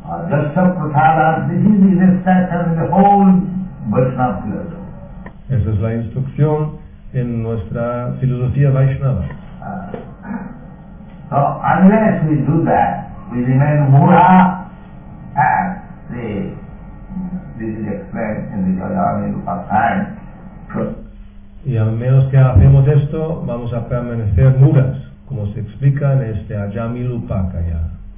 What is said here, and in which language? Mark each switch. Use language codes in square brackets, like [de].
[en] Dasa prasada, this is the instruction in the whole Vaishnava philosophy. [es] Esa es la instrucción en nuestra filosofía Vaishnava. [en] So unless we do that, we remain mura, and this is explained in the Jayami Upasthan. [es] Y al menos que hacemos esto, vamos a permanecer muras, como se explica en este Ajamilupakaya.